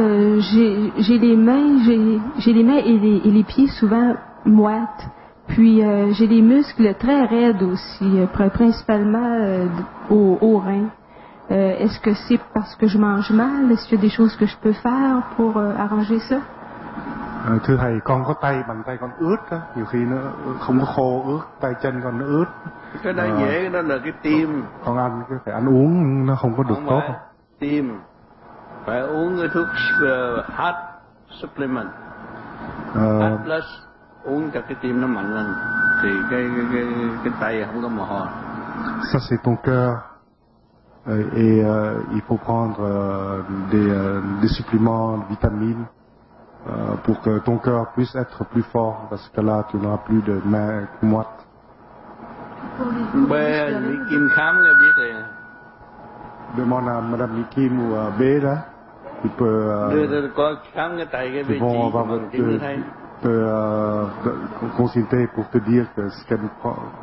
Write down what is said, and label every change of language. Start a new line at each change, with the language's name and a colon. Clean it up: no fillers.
French: Moi, j'ai les mains et les pieds souvent moites. Puis j'ai des muscles très raides aussi, principalement aux reins. Est-ce que c'est parce que je mange mal? Est-ce qu'il y a des choses que je peux faire pour arranger ça?
Vietnamese: Thưa thầy, con có tay, bàn tay con ướt á, nhiều khi nó không có khô, ướt tay chân con nó ướt. Cái đó dễ, đó là cái tim. Con ăn phải ăn uống nó không có được không tốt. Tim. Phải uống cái thuốc
English: heart supplement, heart plus,
Vietnamese: uống cho cái tim nó mạnh lên, thì cái tay không có mồ hôi.
French: Ça c'est ton cœur, et il faut prendre des suppléments, des vitamines, pour que ton cœur puisse être plus fort, parce que là tu n'auras plus de mains moites.
Vietnamese: Ben, il kim khám là biết rồi.
French: Demande à Madame Nikim ou à Béla, ils peuvent consulter pour te dire que ce qu'elle prend.